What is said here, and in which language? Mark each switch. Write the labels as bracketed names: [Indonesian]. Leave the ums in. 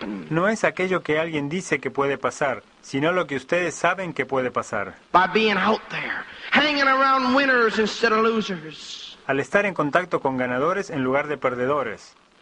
[Spanish] No es aquello que alguien dice que puede pasar, sino lo que ustedes saben que puede pasar. [English] By out there, hanging around winners instead of losers [Spanish] al estar en contacto con ganadores en lugar de perdedores.